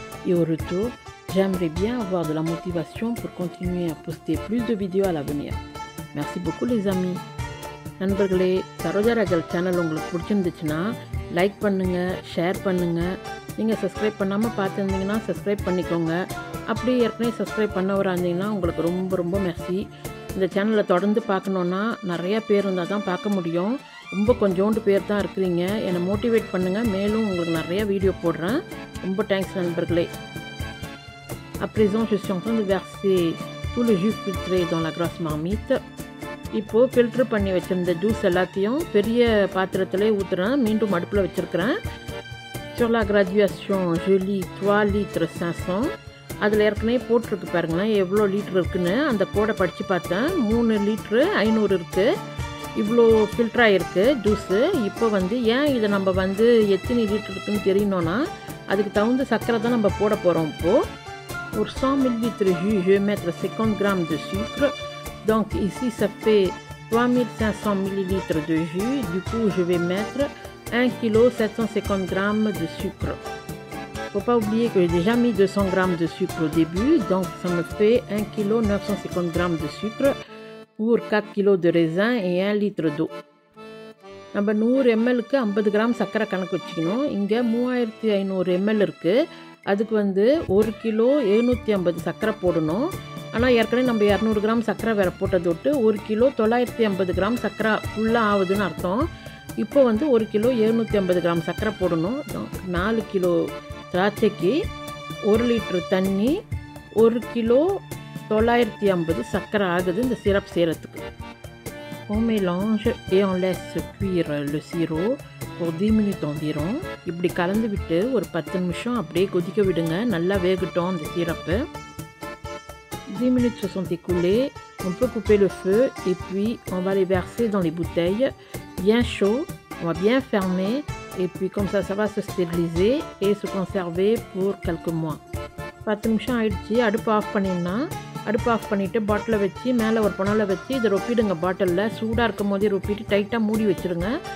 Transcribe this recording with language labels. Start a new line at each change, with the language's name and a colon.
French: Et au retour, j'aimerais bien avoir de la motivation pour continuer à poster plus de vidéos à l'avenir. Merci beaucoup les amis.
Tamil: நண்பர்களே, சரோஜராஜல் channel உங்களுக்கு பிடிச்சிருந்துச்சுன்னா like பண்ணுங்கள், share பண்ணுங்கள். நீங்கள் subscribe பண்ணாமல் பார்த்துருந்தீங்கன்னா சப்ஸ்கிரைப் பண்ணிக்கோங்க. அப்படியே ஏற்கனவே சப்ஸ்கிரைப் பண்ணவராந்தீங்கன்னா உங்களுக்கு ரொம்ப ரொம்ப மெர்சி. இந்த சேனலை தொடர்ந்து பார்க்கணுன்னா நிறையா பேர் இருந்தால் தான் பார்க்க முடியும். ரொம்ப கொஞ்சோண்டு பேர் தான் இருக்கிறீங்க. என்னை மோட்டிவேட் பண்ணுங்கள், மேலும் உங்களுக்கு நிறையா வீடியோ போடுறேன். ரொம்ப தேங்க்ஸ் நண்பர்களே. அப்ரீசன் சுஷன் வேர்சி தூள் ஜூஸ் பில்ட்ரே தான் லக்ராஸ் மாமித். இப்போது ஃபில்டர் பண்ணி வச்சுருந்த ஜூஸ் எல்லாத்தையும் பெரிய பாத்திரத்திலே ஊற்றுறேன். மீண்டும் அடுப்பில் வச்சுருக்கிறேன். சோலா கிராஜுவேஷன் ஜெலி 3 லிட்டர் 500. அதில் ஏற்கனவே போட்டிருக்கு பாருங்களேன், எவ்வளோ லிட்ரு இருக்குதுன்னு. அந்த கோடை படித்து பார்த்தேன், 3 லிட்ரு 500 இருக்குது. இவ்வளோ ஃபில்டர் ஆகிருக்கு ஜூஸு. இப்போ வந்து ஏன் இதை நம்ம வந்து எத்தனை லிட்ரு இருக்குன்னு தெரியணுன்னா அதுக்கு தகுந்த சர்க்கரை தான் நம்ம போட போகிறோம். இப்போது 100 மில்லிலிட்டர் ஜூ ஜூ மேத்திர 50 கிராம் இது சுக்ரு.
French: Donc ici ça fait 3500 ml de jus, du coup je vais mettre 1 kg 750 g de sucre. Faut pas oublier que j'ai déjà mis 200 g de sucre au début, donc ça me fait 1 kg 950 g de sucre pour 4 kg de raisin et 1 litre d'eau.
Tamil: நம்ம 100 ml-க்கு 50 gram சர்க்கரை கணக்கு வச்சுக்கணும். இங்கே 3500 ml இருக்குது. அதுக்கு வந்து 1 kilo 750 சர்க்கரை போடணும். ஆனால் ஏற்கனவே நம்ம 200 கிராம் சர்க்கரை வேற போட்டதை விட்டு 1 கிலோ 950 கிராம் சர்க்கரை ஃபுல்லாக ஆகுதுன்னு அர்த்தம். இப்போ வந்து 1 கிலோ 750 கிராம் சர்க்கரை போடணும். 4 கிலோ திராட்சைக்கு 1 லிட்டர் தண்ணி 1 கிலோ 950 சர்க்கரை ஆகுது இந்த சிரப் செய்கிறதுக்கு. Home மேலாஞ்ச் A on less queer லு சீரோ ஒரு 10 மினிட் வந்துடும். இப்படி கலந்து விட்டு ஒரு 10 நிமிஷம் அப்படியே கொதிக்க விடுங்க. நல்லா வேகட்டும் அந்த syrup.
French: 10 minutes se sont écoulées, on peut couper le feu et puis on va les verser dans les bouteilles bien chaud, on va bien fermer et puis comme ça, ça va se stabiliser et se conserver pour quelques mois.
Tamil: பத்தும்ஷம் ஆயிடுச்சி, அடுப்பு of பண்ணினா, அடுப்பு of பண்ணிட்டு பாட்டில் வச்சு மேலே ஒரு பொணலை வச்சு இதை ரொப்பிடுங்க. பாட்டிலில் சூடாக இருக்கும் போதே ரொப்பிட்டு டைட்டாக மூடி வச்சுருங்க.